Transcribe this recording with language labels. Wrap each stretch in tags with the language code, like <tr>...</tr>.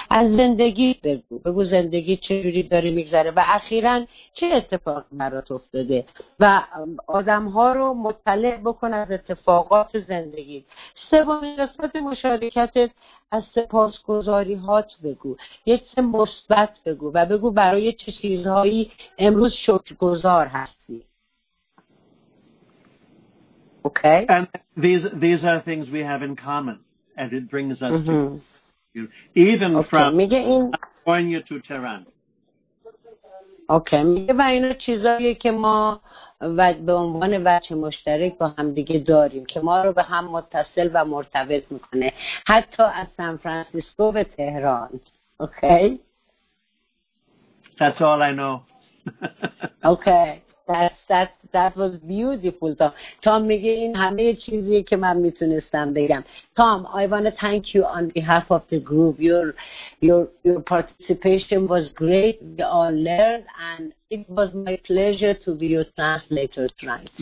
<fa>از زندگی بگو زندگی چجوری داری میگذره و اخیراً چه اتفاق برات افتاده و آدم ها رو مطلع بکن از اتفاقات زندگی. سومین قسمت مشارکتت از سپاسگزاری هات بگو. یک چه مثبت بگو و بگو برای چه چیزهایی امروز شکرگزار هستی.</fa> <en>Okay. And these are things we have in common, and it brings us to you, even from California to Tehran. Okay.</en> <fa>میگه و اینا چیزاییه که ما به عنوان وجه مشترک با هم دیگه داریم که ما رو به هم متصل و مرتبط میکنه. حتی از سان فرانسیسکو به تهران.</fa> <en>Okay. That's all I know. Okay. That was beautiful, Tom.</en> <fa>Tom میگه این همه چیزیه که من میتونستم بگم.</fa> <en>Tom, I want to thank you on behalf of the group. Your participation was great. We all learned, and it was my pleasure to be your translator tonight.</en>